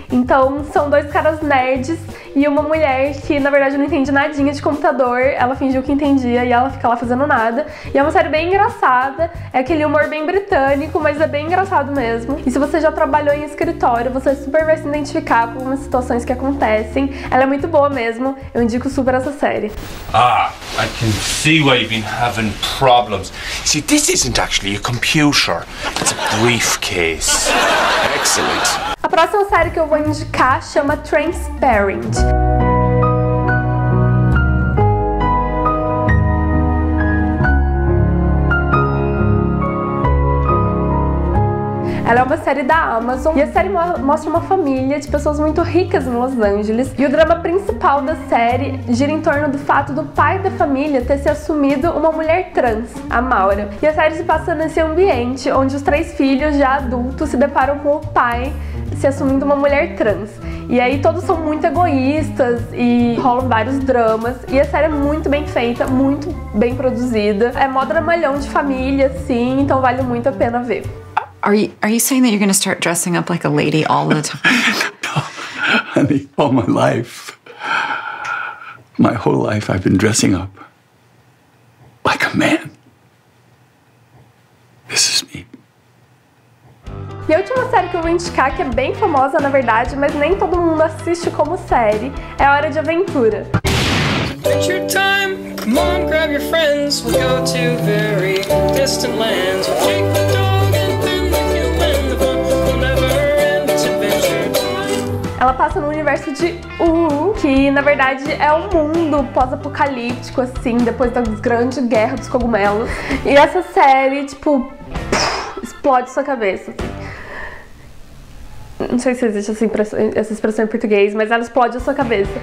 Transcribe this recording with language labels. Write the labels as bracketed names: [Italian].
[Portuguese] Então são dois caras nerds e uma mulher que na verdade não entende nadinha de computador. Ela fingiu que entendia e ela fica lá fazendo nada. E é uma série bem engraçada, é aquele humor bem britânico, mas é bem engraçado mesmo. E se você já trabalhou em escritório, você super vai se identificar com algumas situações que acontecem. Ela é muito boa mesmo, eu indico super essa série. [English] Ah, I can see why you've been having problems. See, this isn't actually a computer, it's a briefcase. Excellent. [Portuguese] A próxima série que eu vou indicar chama Transparent. Ela é uma série da Amazon e a série mostra uma família de pessoas muito ricas em Los Angeles. E o drama principal da série gira em torno do fato do pai da família ter se assumido uma mulher trans, a Maura. E a série se passa nesse ambiente onde os três filhos, já adultos, se deparam com o pai se assumindo uma mulher trans. E aí todos são muito egoístas e rolam vários dramas. E a série é muito bem feita, muito bem produzida. É mó dramalhão de família, sim, então vale muito a pena ver. [English] Are you saying that you're going to start dressing up like a lady all the time? No, honey, all my life, my whole life, I've been dressing up like a man. This is me. [Portuguese] E a última série que eu vou indicar, que é bem famosa na verdade, mas nem todo mundo assiste como série, é Hora de Aventura. [English] Adventure time, come on, grab your friends, we'll go to very distant lands. We'll take the dog and then the human, the fun will never end, it's adventure time. [Portuguese] Ela passa no universo de que na verdade é um mundo pós-apocalíptico, assim, depois da grande guerra dos cogumelos. E essa série, tipo, explode sua cabeça, assim. Não sei se existe essa expressão em português, mas ela explode a sua cabeça.